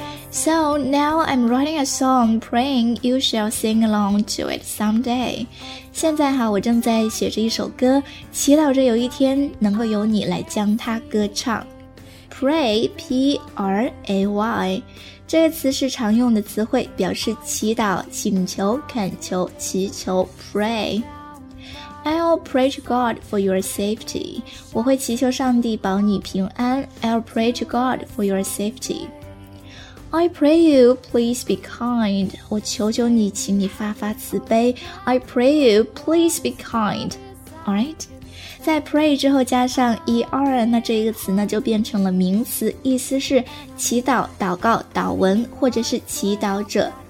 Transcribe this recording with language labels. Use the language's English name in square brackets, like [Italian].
[English] So now I'm writing a song, praying you shall sing along to it someday. [Chinese] 现在哈，我正在写着一首歌，祈祷着有一天能够由你来将它歌唱。 Pray, P-R-A-Y, 这个词是常用的词汇，表示祈祷、请求、恳求、祈求。 [English] Pray, I'll pray to God for your safety. [Chinese] 我会祈求上帝保你平安。 [English] I'll pray to God for your safety. I pray you, please be kind. [Chinese] 我求求你，请你发发慈悲。 [English] I pray you, please be kind. Alright? [Chinese] 在 pray 之后加上 er, 那这个词呢就变成了名词，意思是祈祷、祷告、祷文，或者是祈祷者。